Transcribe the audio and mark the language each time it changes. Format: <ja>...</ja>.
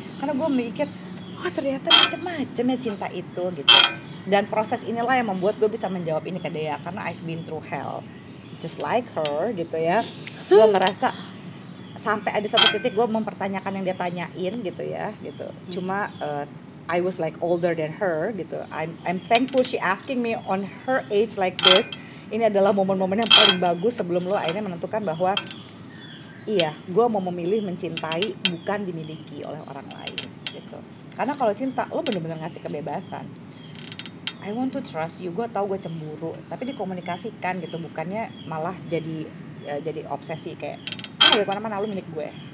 <id>Karena gue mikir, oh ternyata macam-macam ya cinta itu gitu. Dan proses inilah yang membuat gue bisa menjawab ini ke Dea, karena</id> <en>I've been through hell just like her</en> <id>gitu ya. Gue merasa sampai ada satu titik gue mempertanyakan yang dia tanyain gitu ya gitu.</id> <en>Cuma I was like older than her gitu. I'm thankful she asking me on her age like this.</en> <id>Ini adalah momen-momen yang paling bagus sebelum lo akhirnya menentukan bahwa iya, gue mau memilih mencintai bukan dimiliki oleh orang lain gitu. Karena kalau cinta lo benar-benar ngasih kebebasan.</id> <en>I want to trust you.</en> <id>Gue tahu gue cemburu, tapi dikomunikasikan gitu, bukannya malah jadi obsesi kayak ah, gue kemana-mana lo milik gue.</id>